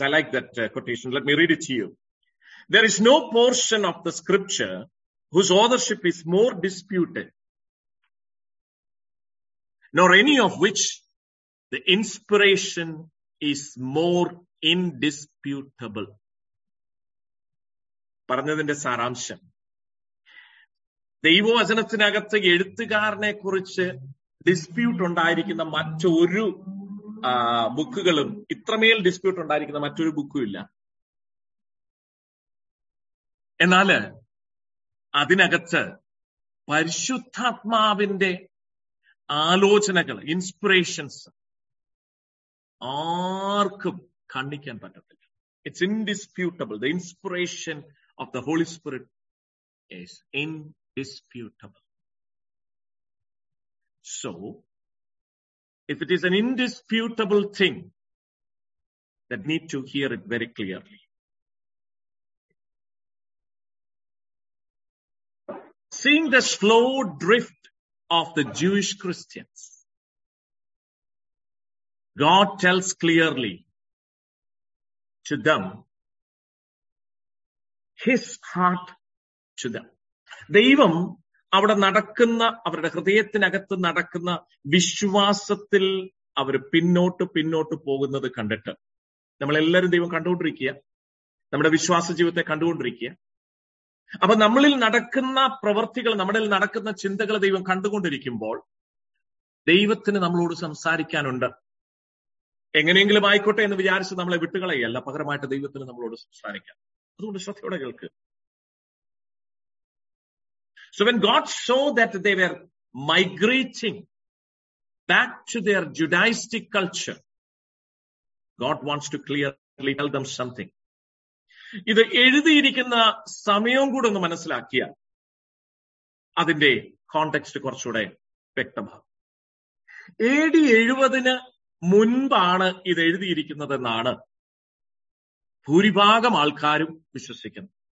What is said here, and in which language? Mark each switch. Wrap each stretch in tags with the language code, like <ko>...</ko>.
<en>I like that quotation. Let me read it to you. There is no portion of the scripture whose authorship is more disputed, nor any of which the inspiration is more indisputable.</en> <ml>പറഞ്ഞതിന്റെ സാരാംശം, ദൈവവചനത്തിനകത്ത് എഴുത്തുകാരനെ കുറിച്ച് dispute ഉണ്ടായിരിക്കുന്ന മറ്റൊരു ബുക്കുകളും, ഇത്രമേൽ dispute ഉണ്ടായിരിക്കുന്ന മറ്റൊരു ബുക്കും ഇല്ല. എന്നാല് അതിനകത്ത് പരിശുദ്ധാത്മാവിന്റെ ആലോചനകൾ, ഇൻസ്പിറേഷൻസ് ആർക്കും ഖണ്ഡിക്കാൻ പറ്റത്തില്ല.</ml> <en>It's indisputable. The inspiration of the holy spirit is indisputable. So if it is an indisputable thing, that need to hear it very clearly. Seeing the slow drift of the Jewish Christians, God tells clearly to them his heart to them.</en> <ml>Devam അവിടെ നടക്കുന്ന, അവരുടെ ഹൃദയത്തിനകത്ത് നടക്കുന്ന വിശ്വാസത്തിൽ അവർ പിന്നോട്ട് പോകുന്നത് കണ്ടിട്ട്, നമ്മളെല്ലാവരും ദൈവം കണ്ടുകൊണ്ടിരിക്കുക, നമ്മുടെ വിശ്വാസ ജീവിതത്തെ കണ്ടുകൊണ്ടിരിക്കുക. അപ്പൊ നമ്മളിൽ നടക്കുന്ന പ്രവൃത്തികൾ, നമ്മളിൽ നടക്കുന്ന ചിന്തകൾ ദൈവം കണ്ടുകൊണ്ടിരിക്കുമ്പോൾ ദൈവത്തിന് നമ്മളോട് സംസാരിക്കാനുണ്ട്. എങ്ങനെയെങ്കിലും ആയിക്കോട്ടെ എന്ന് വിചാരിച്ച് നമ്മളെ വിട്ടുകളയല്ല, പകരമായിട്ട് ദൈവത്തിന് നമ്മളോട് സംസാരിക്കാം. അതുകൊണ്ട് ശ്രദ്ധയോടെ കേൾക്കുക.</ml> <en>So when God saw that they were migrating back to their Judaistic culture, God wants to clearly tell them something.</en> <ml>ഇത് എഴുതിയിരിക്കുന്ന സമയവും കൂടെ ഒന്ന് മനസ്സിലാക്കിയ അതിന്റെ കോണ്ടെക്സ്റ്റ് കുറച്ചുകൂടെ വ്യക്തമാകും. AD 70 മുൻപാണ് ഇത് എഴുതിയിരിക്കുന്നതെന്നാണ് ഭൂരിഭാഗം ആൾക്കാരും വിശ്വസിക്കുന്നത്.</ml>